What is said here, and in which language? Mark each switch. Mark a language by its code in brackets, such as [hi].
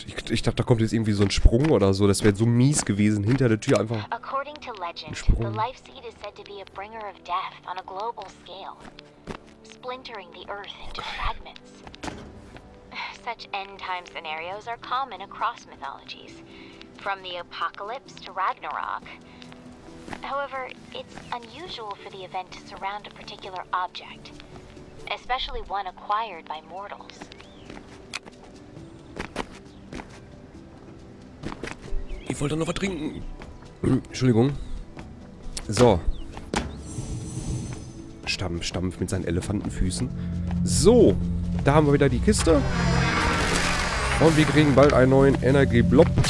[de] Ich dachte, da kommt jetzt irgendwie so ein Sprung oder so. Das wäre so mies gewesen, hinter der Tür einfach. [en] According to legend, the Life Seed is said to be a bringer of death on a global scale, splintering the earth into fragments. Such end-time scenarios are common across mythologies, from the apocalypse to Ragnarok. However, it's unusual for the event to surround a particular object, especially one acquired by mortals. [de] Ich wollte noch was trinken. Entschuldigung. So. Stampf, stampf mit seinen Elefantenfüßen. So. Da haben wir wieder die Kiste. Und wir kriegen bald einen neuen Energieblock.